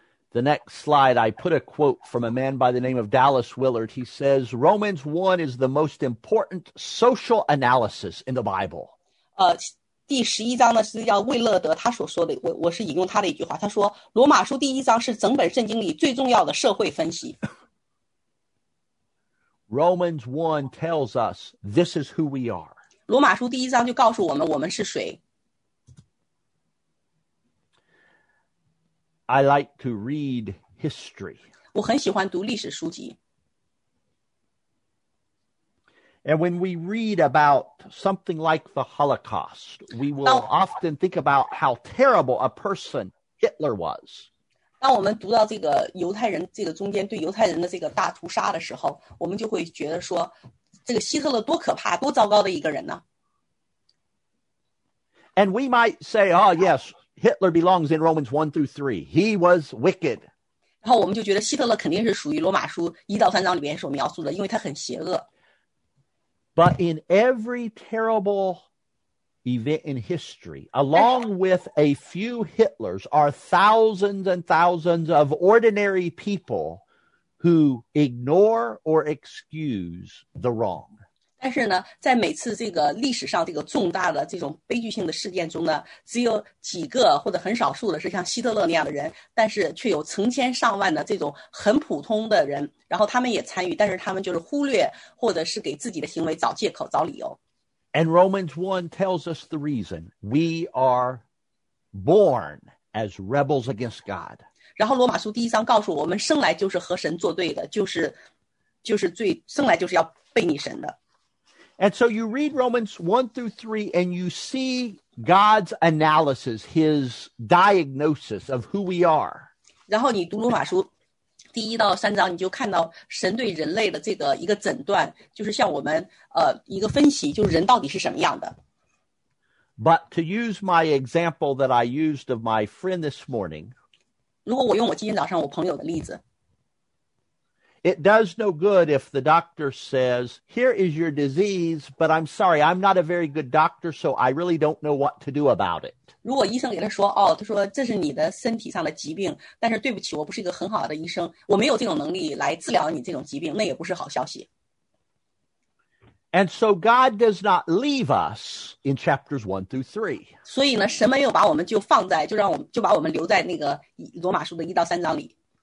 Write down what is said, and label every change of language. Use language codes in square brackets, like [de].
[en] The next slide, I put a quote from a man by the name of Dallas Willard. He says, Romans 1 is the most important social analysis in the Bible. [zh] 第11章呢,是叫魏勒德他所说的,我是引用他的一句话,他说,罗马书第一章是整本圣经里最重要的社会分析。 [en] Romans 1 tells us this is who we are. [zh] 罗马书第一章就告诉我们我们是谁。 [en] I like to read history. [zh] 我很喜欢读历史书籍。 [en] And when we read about something like the Holocaust, we will often think about how terrible a person Hitler was. [zh] 当我们读到这个犹太人这个中间对犹太人的这个大屠杀的时候，我们就会觉得说，这个希特勒多可怕，多糟糕的一个人呢。 [en] And we might say, oh yes, Hitler belongs in Romans 1 through 3. He was wicked. [zh] 然后我们就觉得希特勒肯定是属于罗马书一到三章里面所描述的，因为他很邪恶。 [en] But in every terrible event in history, along with a few Hitlers, are thousands and thousands of ordinary people who ignore or excuse the wrong. [zh] 但是呢，在每次这个历史上这个重大的这种悲剧性的事件中呢，只有几个或者很少数的是像希特勒那样的人，但是却有成千上万的这种很普通的人，然后他们也参与，但是他们就是忽略或者是给自己的行为找借口找理由。 [en] And Romans 1 tells us the reason. We are born as rebels against God. [zh] 然后罗马书第一章告诉我们生来就是和神作对的，就是罪，生来就是要背逆神的。 [en] And so you read Romans 1 through 3 and you see God's analysis, his diagnosis of who we are. [zh] 然后你读罗马书第一到三章，你就看到神对人类的这个一个诊断，就是向我们一个分析，就是人到底是什么样的。 [en] But to use my example that I used of my friend this morning, [zh] 如果我用我今天早上我朋友的例子， [en] It does no good if the doctor says, here is your disease, but I'm sorry, I'm not a very good doctor, so I really don't know what to do about it. [zh] 如果医生给他说，哦，他说这是你的身体上的疾病，但是对不起，我不是一个很好的医生，我没有这种能力来治疗你这种疾病，那也不是好消息。 [en] And so God does not leave us in chapters 1 through 3. [zh] 所以呢，神没有把我们就放在，就把我们留在那个罗马书的一到三章里。